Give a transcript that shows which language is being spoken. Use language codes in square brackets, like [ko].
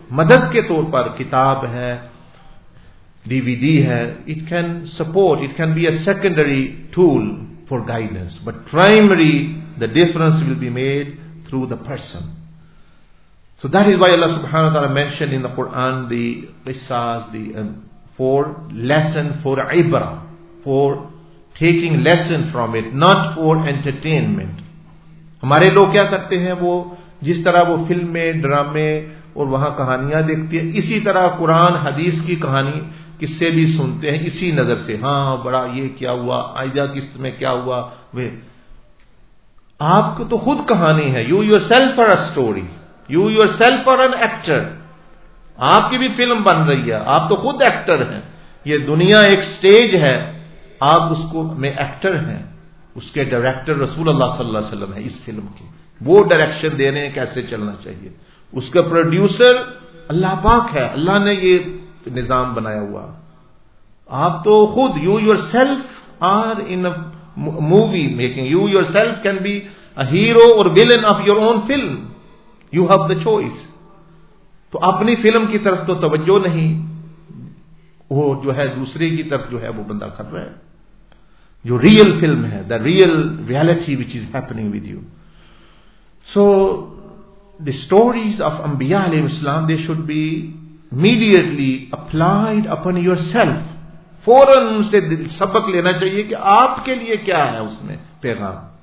[ur] Madad ke taur par kitab hai, DVD hai, [en] it can support, it can be a secondary tool for guidance. But primary, the difference will be made through the person. So that is why Allah subhanahu wa ta'ala mentioned in the Quran the qissas, the four lesson for ibrah, for taking lesson from it, not for entertainment. [ur] ہمارے لوگ کیا کرتے ہیں, وہ جس طرح وہ فلمیں ڈرامے اور وہاں کہانیاں دیکھتے ہیں, اسی طرح قرآن حدیث کی کہانی قصے بھی سنتے ہیں اسی نظر سے, ہاں بڑا یہ کیا ہوا, آئیدہ قسط میں کیا ہوا. وہ آپ کو تو خود کہانی ہے, [en] you yourself are a story, you yourself are an actor, [ur] آپ کی بھی فلم بن رہی ہے, آپ تو خود ایکٹر ہیں. یہ دنیا ایک اسٹیج ہے, آپ اس کو میں ایکٹر ہیں, اس کے ڈائریکٹر رسول اللہ صلی اللہ علیہ وسلم ہے اس فلم کی, وہ ڈائریکشن دے رہے ہیں کیسے چلنا چاہیے, اس کا پروڈیوسر اللہ پاک ہے, اللہ نے یہ نظام بنایا ہوا. آپ تو خود [en] You yourself are in movie making, you yourself can be a hero اور villain of your own film, you have the choice. [ur] تو اپنی فلم کی طرف تو توجہ نہیں, وہ جو ہے دوسرے کی طرف جو ہے وہ بندہ کر رہا ہے. جو ریئل فلم ہے, [en] The real reality which is happening with you. So the stories of انبیاء علیہ السلام, they should be immediately applied upon yourself, [ur] فوراً ان سے سبق لینا چاہیے کہ آپ کے لیے کیا ہے اس میں پیغام.